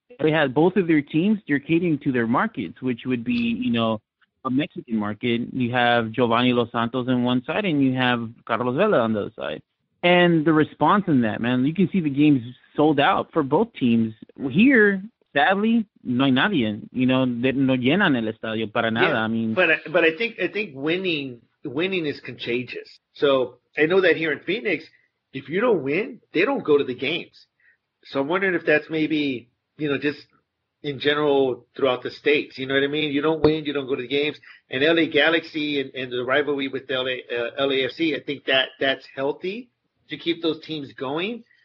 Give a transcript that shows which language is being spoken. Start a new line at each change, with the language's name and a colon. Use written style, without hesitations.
English: They had both of their teams, they're catering to their markets, which would be, you know, a Mexican market. You have Giovanni Los Santos on one side and you have Carlos Vela on the other side. And the response in that, man, you can see the games sold out for both teams. Here, sadly,
Spanish: no hay nadie.
English: You know,
Spanish: no llenan el estadio para nada.
English: Yeah, I mean, but I think winning is contagious. So I know that here in Phoenix, if you don't win, they don't go to the games. So I'm wondering if that's maybe, you know, just in general throughout the states. You know what I mean? You don't win, you don't go to the games. And LA Galaxy and the rivalry with LAFC, I think that's healthy to keep those teams going.